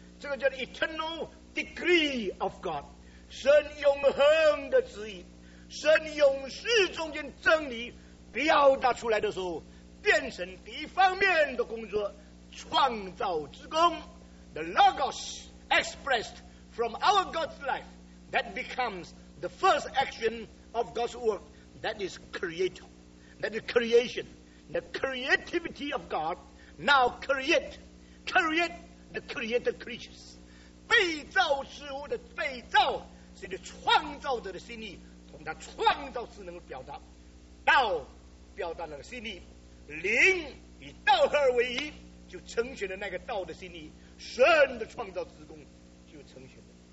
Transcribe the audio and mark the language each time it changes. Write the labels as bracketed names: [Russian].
[Chinese] 这个叫 [English] eternal decree of God， [Chinese] 神永恒的旨意，神永世中间真理表达出来的时候，变成第一方面的工作，创造之功。 [English] The logos expressed from our God's life that becomes the first action of God's work, that is creator, that is creation, the creativity of God now create the created creatures。 [Chinese] 被造事物的被造是对创造者的心意，从他创造之能表达，道表达了心意，灵与道合而为一，就成全了那个道的心意，神的创造之功就成全了。